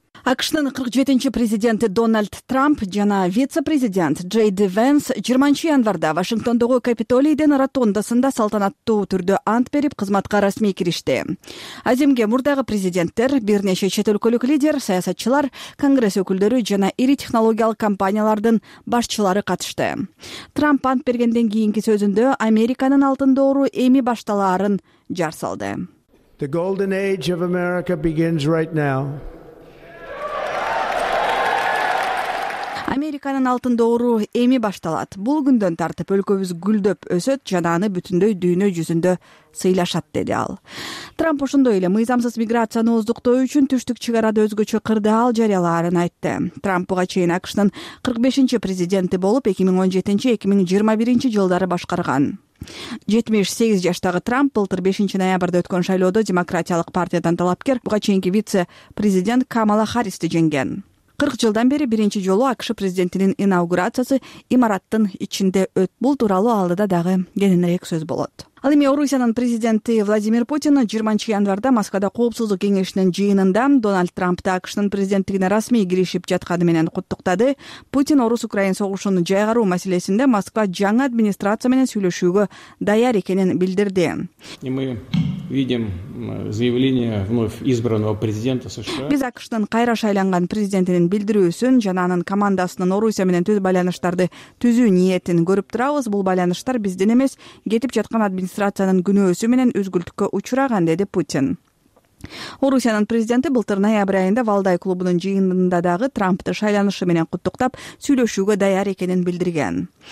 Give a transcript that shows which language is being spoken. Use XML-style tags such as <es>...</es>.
<ky>АКШнын 47-нчи президенти Дональд Трамп жана вице-президент Джей Ди Венс 20-январда Вашингтондогу Капитолийдин ротондасында салтанаттуу түрдө ант берип, кызматка расмий киришти. Азимге мурдагы президенттер, бир нече чет өлкөлүк лидер, саясатчылар, конгресс өкүлдөрү жана ири технологиялык компаниялардын башчылары катышты. Трамп ант бергенден кийинки сөзүндө Американын алтын доору эми башталаарын жар салды.</ky> <en>The golden age of America begins right now.</en> <ky>Американын алтын доору эми башталат. Бул күндөн тартып өлкөбүз гүлдөп өсөт жана аны бүтүндөй дүйнө жүзүндө сыйлашат, деди ал. Трамп ошондой эле мыйзамсыз миграцияны оздуктоо үчүн түштүк чек арада өзгөчө кырдаал жарыяларын айтты. Трамп буга чейин АКШнын 45-нчи президенти болуп 2017-2021 жылдары башкарган. 78 жаштагы Трамп былтыр 5-ноябрда өткөн шайлоодо Демократиялык партиядан талапкер, буга чейинки вице-президент Камала Харисти жеңген. 40 жылдан бери биринчи жолу АКШ президентинин инаугурациясы имараттын ичинде өт. Бул тууралуу алдыда дагы кененирээк сөз болот. Ал эми Орусиянын президенти Владимир Путин 20-январда Москвада Коопсуздук кеңешинин жыйынында Дональд Трампты АКШнын президенттигине расмий киришип жатканы менен куттуктады. Путин Орус-Украин согушун жайгаруу маселесинде Москва жаңы администрация менен сүйлөшүүгө даяр экенин билдирди.</ky> <ru>Видим заявление вновь избранного президента США.</ru> <ky>Биз АКШнын кайра шайланган президентинин билдирүүсүн жана анын командасынын Орусия менен түз байланыштарды түзүү ниетин көрүп турабыз. Бул байланыштар биздин эмес, кетип жаткан администрациянын күнөөсү менен үзгүлтүккө учураган, деди Путин. Орусиянын президенти былтыр ноябрь айында Валдай клубунун жыйынында дагы Трампты шайланышы менен куттуктап, сүйлөшүүгө даяр экенин билдирген.</ky>